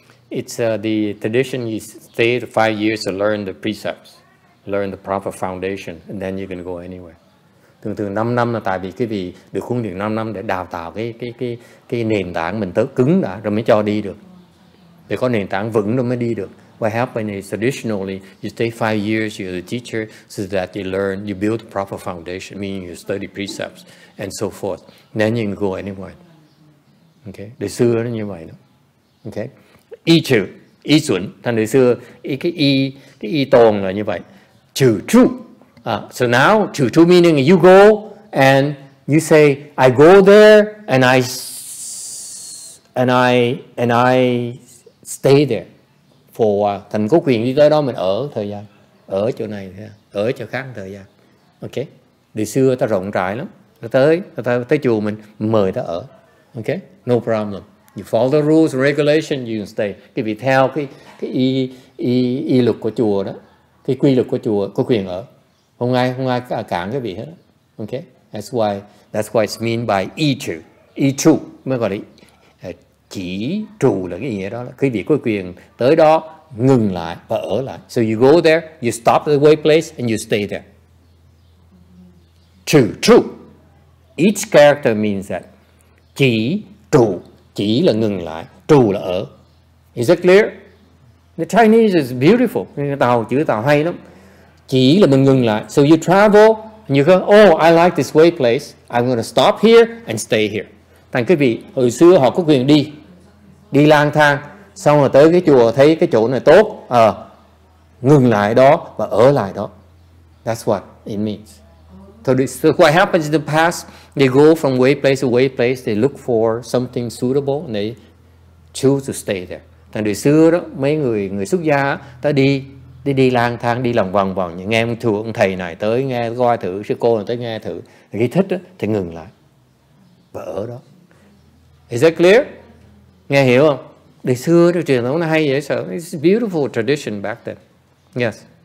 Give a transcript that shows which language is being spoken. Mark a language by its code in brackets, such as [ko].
[en] It's the tradition you stay 5 years to learn the precepts, learn the proper foundation, and then you can go anywhere. [vi] Thường thường 5 năm là tại vì cái vị được huấn luyện 5 năm để đào tạo cái nền tảng mình tới cứng đã rồi mới cho đi được. Để có nền tảng vững rồi mới đi được. [en] What happened is traditionally you stay 5 years, you're the teacher, so that you learn, you build the proper foundation, meaning you study precepts and so forth. Then you can go anywhere. Okay? [vi] Đời xưa nó như vậy đó. [en] Okay? [vi] Y trừ, y chuẩn. Thành đời xưa, cái y tồn là như vậy. Trừ trụ. [en] So now, trừ trụ meaning you go and you say, I go there and I stay there for a while. [vi] Thành có quyền đi tới đó mình ở thời gian. Ở chỗ này, ở chỗ khác thời gian. Okay? Đời xưa ta rộng rãi lắm. Ta tới chùa mình, mời ta ở. Okay? [en] No problem. You follow the rules and regulations, you can stay. [vi] Cái vị theo cái y luật của chùa đó, cái quy luật của chùa có quyền ở. Không ai cản cái vị hết. Okay? [en] That's why it's mean by y trụ. [vi] Y trụ mới gọi là chỉ trụ là cái nghĩa đó. Cái vị có quyền tới đó ngừng lại và ở lại. [en] So you go there, you stop at the way place and you stay there. Trụ trụ. Each character means that chỉ trụ. [vi] Chỉ là ngừng lại, trù là ở. [en] Is that clear? The Chinese is beautiful. [vi] Tàu, chữ tàu hay lắm. Chỉ là mình ngừng lại. [en] So you travel, and you go, oh, I like this way place. I'm going to stop here and stay here. [vi] Thành quý vị, hồi xưa họ có quyền đi lang thang. Xong rồi tới cái chùa, thấy cái chỗ này tốt. Ngừng lại đó và ở lại đó. [en] That's what it means. So what happens in the past, they go from way place, they look for something suitable, and they choose to stay there. [vi] Thành đời xưa đó, mấy người xuất gia, ta đi lang thang, đi lòng vòng vòng, nghe ông thưa ông thầy này tới nghe, coi thử, sư cô này tới nghe thử, khi thích đó, thì ngừng lại, và ở đó. [en] Is that clear? [vi] Nghe hiểu không? đời xưa cái truyền thống này hay dễ sợ. [en] It's a beautiful tradition back then. [vi] Yes.